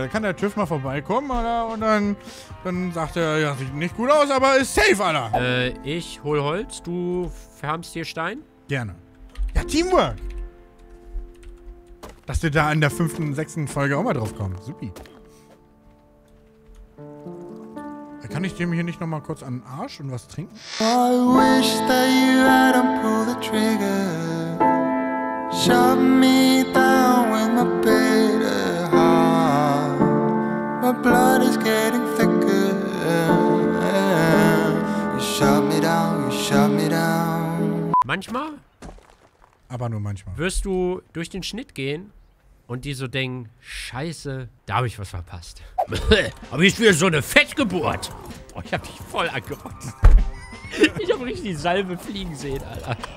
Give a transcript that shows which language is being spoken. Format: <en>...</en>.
<de>Da kann der TÜV mal vorbeikommen, Alter. Und dann sagt er, ja, sieht nicht gut aus, aber ist safe, Alter. Ich hol Holz. Du färmst hier Stein? Gerne. Ja, Teamwork. Dass du da in der 5., 6. Folge auch mal drauf kommst. Supi. Kann ich dem hier nicht nochmal kurz an den Arsch und was trinken?</de> <en>I wish that you hadn't pulled the trigger. Shut me down with my bitter heart. My blood is getting thicker. You shut me down, you shut me down.</en> <de>Manchmal? Aber nur manchmal. Wirst du durch den Schnitt gehen und die so denken, Scheiße, da habe ich was verpasst. Aber ich will so eine Fettgeburt. Boah, ich habe dich voll angerotzt. Ich habe richtig die Salbe fliegen sehen, Alter.</de>